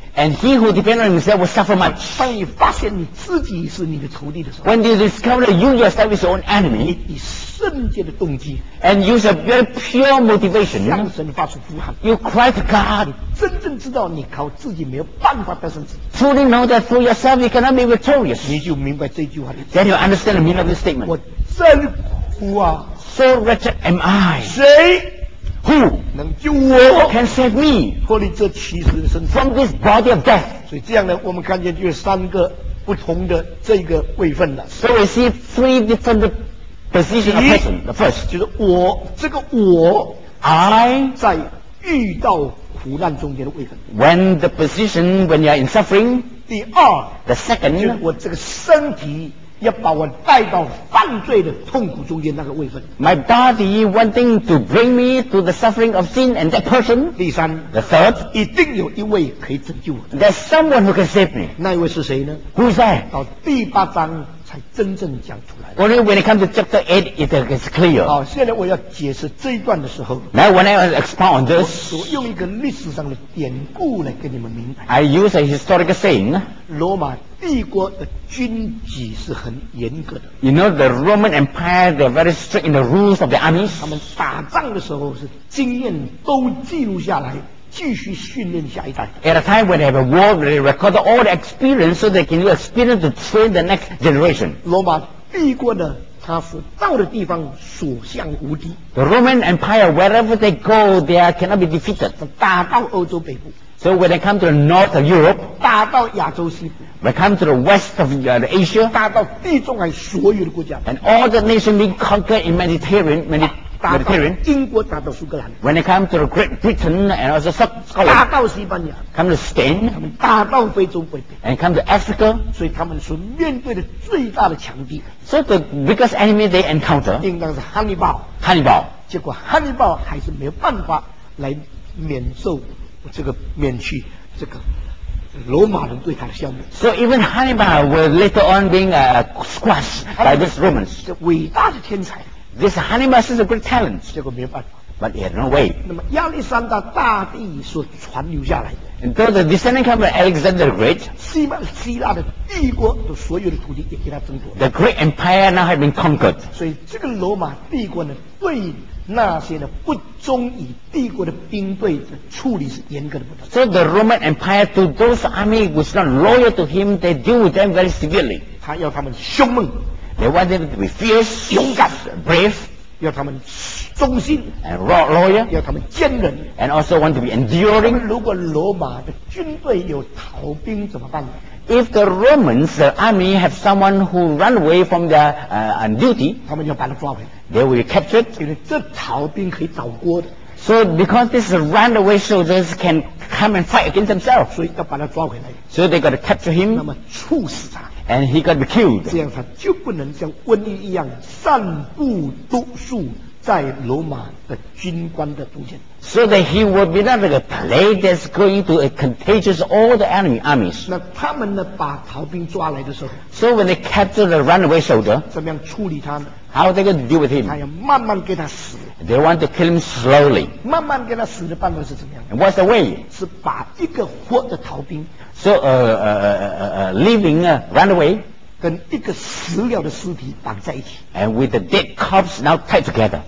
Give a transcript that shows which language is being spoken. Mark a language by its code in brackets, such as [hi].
[en] And he who depends on himself will suffer much. [zh] 当你发现你自己是你的仇敌的时候 [en] When you discover that you yourself is your own enemy. [zh] 你以圣洁的动机 [en] And use a very pure motivation [zh] 向神发出呼喊 [en] You cry to God [zh] 真正知道你靠自己没有办法得胜自己 [en] Truly know that through yourself you cannot be victorious [zh] 你就明白这句话 [en] Then you understand the meaning of this statement [zh] 我真苦啊 [en] So wretched am I [zh] 谁 [en] Who [zh] 能救我 [en] Can save me [zh] 脱离这其实的身体 [en] From this body of death [zh] 所以这样呢我们看见就有三个不同的这个位分了 [en] So we see three different Position of person, the first [zh] 就是我这个我 [en] I [zh] 在遇到苦难中间的位分 [en] When the position when you are in suffering [zh] 第二 [en] The second [zh] 就是我这个身体要把我带到犯罪的痛苦中间那个位分 [en] My body wanting to bring me to the suffering of sin and that person [zh] 第三 [en] The third [zh] 一定有一位可以拯救我 [en] There's someone who can save me [zh] 那一位是谁呢 [en] Who's that [zh] 到第八章才真正讲出来。 [en] Only when it comes to chapter 8, it is clear. [zh] 好，现在我要解释这一段的时候。 [en] Now when I expound on this, [zh] 我用一个历史上的典故来跟你们明白。 [en] I use a historical saying. [zh] 罗马帝国的军纪是很严格的。 [en] You know the Roman Empire, they're very strict in the rules of the armies. [zh] 他们打仗的时候是经验都记录下来。继续训练下一代。 [en] At a time when they have a war, they record all the experience so they can use experience to train the next generation. [zh] 罗马帝国呢，他是到的地方所向无敌。 [en] The Roman Empire, wherever they go, they cannot be defeated. [zh] 打到欧洲北部。 [en] So when they come to the north of Europe, [zh] 打到亚洲西部。 [en] When they come to the west of Asia, [zh] 打到地中海所有的国家。 [en] And all the nations being conquered in Mediterranean. [zh] 英国打到苏格兰。 [en] When they come to the Great Britain and also Scotland, [zh] 打到西班牙。 [en] Come to Spain, [zh] 他们打到非洲北边。 [en] And come to Africa, [zh] 所以他们所面对的最大的强敌。 So the biggest enemy they encounter, 应当是汉尼拔。汉尼拔。结果汉尼拔还是没有办法来免受这个免去这个罗马人对他的消灭。 [en] So even Hannibal was later on being squashed by these Romans. [zh] 伟大的天才。 [en] This Hannibal is a great talent, [zh] 结果没有办法。 [en] But he had no way. [zh] 那么亚历山大大帝所传留下来的。 [en] And though the descendant came from Alexander the Great, [zh] 希腊的帝国的所有的土地也给他争夺。 [en] The great empire now had been conquered. [zh] 所以这个罗马帝国呢，对那些的不忠于帝国的兵队的处理是严格的不得。 [en] So the Roman Empire to those army was not loyal to him, they deal with them very severely. [zh] 他要他们凶猛。 [en] They want them to be fierce, [zh] 勇敢 [en] brave, [zh] 要他们忠心 [en] and loyal, [zh] 要他们坚韧 [en] and also want to be enduring. [zh] 如果罗马的军队有逃兵怎么办？ [en] If the Romans, the army, have someone who run away from their duty, [zh] 他们要把他抓回来 [en] they will be captured. [zh] 因为这逃兵可以倒锅的。 [en] So because these runaway soldiers can come and fight against themselves, [zh] 所以要把他抓回来。 [en] So they got to capture him. [zh] 那么处死他。 [en] And he got killed. [zh] 这样他就不能像瘟疫一样散布毒素在罗马的军官的中间。 [en] So that he would be not like a plague that's going to contagious all the enemy armies. [zh] 那他们呢把逃兵抓来的时候。 [en] So when they capture the runaway soldier. [zh] 怎么样处理他呢？ [en] How are they going to deal with him? [zh] 他要慢慢给他死。 [en] They want to kill him slowly. [zh] 慢慢给他死的办法是怎么样？ [en] And what's the way? [zh] 是把一个活的逃兵。 [en] So leaving runaway [zh] 跟一个死了的尸体绑在一起 [en] and with the dead corpse now tied together